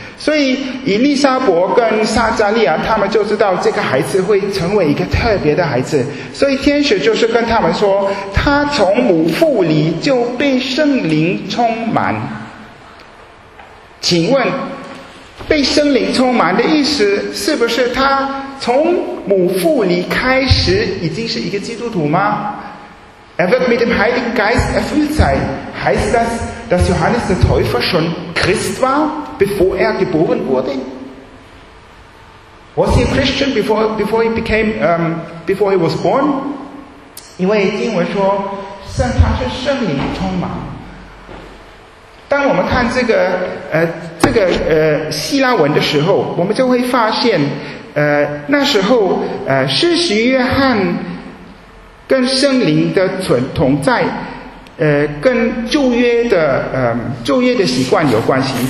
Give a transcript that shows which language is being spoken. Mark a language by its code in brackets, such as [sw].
[zh] 所以以利沙伯跟撒加利亚他们就知道这个孩子会成为一个特别的孩子，所以天使就是跟他们说他从母腹里就被圣灵充满。请问被圣灵充满的意思是不是他从母腹里开始已经是一个基督徒吗？ [de] Er wird mit dem Heiligen Geist erfüllt sein. Heißt das, dass Johannes der Täufer schon Christ warbevor er geboren wurde? [en] Was he a Christian before he became before he was born? [zh] 因为经文说圣他是圣灵充满。当我们看这个希腊文的时候，我们就会发现那时候施洗约翰跟圣灵的同在跟旧约的习惯有关系。